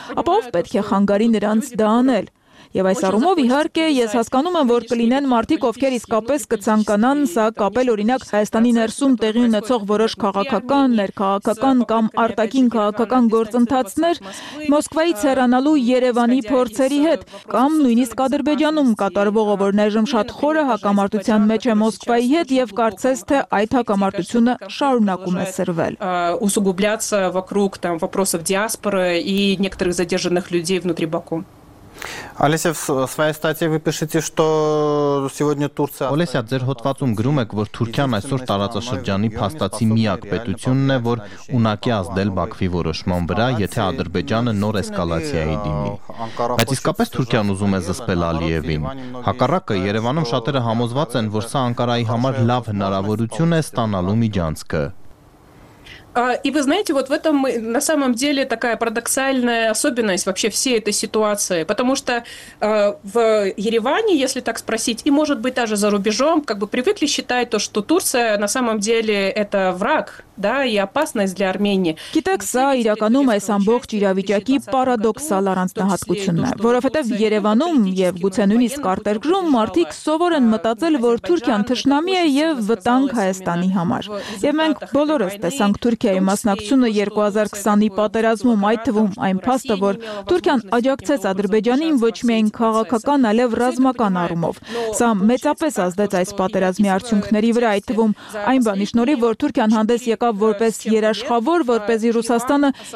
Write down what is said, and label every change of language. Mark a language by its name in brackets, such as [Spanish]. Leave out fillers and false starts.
[Armenian] ապա ով պետք է խանգարի նրանց դա անել։ Եվ այս առումով, իհարկե, ես հասկանում եմ, որ կլինեն մարդիկ, ովքեր իսկապես կցանկանան սա կապել, օրինակ, Հայաստանի ներսում տեղի ունեցող որոշ քաղաքական, ներքաղաքական կամ արտաքին քաղաքական գործընթացներ Մոսկվայից հեռանալու Երևանի փորձերի հետ, կամ նույնիսկ Ադրբեջանում կատարվող, որ ներժում շատ խորը հակամարտության մեջ է Մոսկվայի հետ, և կարծես թե այդ հակամարտությունը շարունակում է սրվել։ [Russian] Усугубляться вокруг там вопросов диаспоры и некоторых задержанных людей внутри Баку. Олеся, в своей статье вы пишете, что сегодня Турция... [Armenian] Олеся, ձեր հոդվածում գրում եք, որ Թուրքիան այսօր տարածաշրջանի փաստացի միակ պետությունն է, որ ունակի ազդել Բաքվի որոշման վրա, եթե Ադրբեջանը նոր էսկալացիայի դիմի։ Բայց իսկապես Թուրքիան ուզում է զսպել Ալիևին։ Հակառակը, Երևանում շատերը համոզված են, որ սա Անկարայի համար լավ հնարավորություն է ստանալու միջանցքը։ [Russian] И вы знаете, вот в этом на самом деле такая парадоксальная особенность вообще всей этой ситуации, потому что в Ереване, если так спросить, и может быть даже за рубежом, как бы привыкли считать то, что Турция на самом деле это враг, да, и опасность для Армении. [Armenian] Գիտեք, սա իրականում այս ամբողջ իրավիճակի պարադոքսալ առանձնահատկությունն է, որովհետև Երևանում և գուցե նույնիսկ արտերկրում մարդիկ սովոր են մտածել, որ Թուրքիան թշնամի է և վտանգ Հայաստանի համար։ Եվ մենք բոլորս տեսանք Թուրքիայի մասնակցությունը 2020-ի պատերազմում, այդ թվում այն փաստը, որ Թուրքիան աջակցեց Ադրբեջանին ոչ միայն քաղաքական, այլև ռազմական առումով։ Սա մեծապես ազդեց այս պատերազմի արդյունքների վրա, այդ թվում այն բանի շնորհիվ, որ Թուրքիան հանդես եկավ որպես երաշխավոր, որպեսզի Ռուսաստանը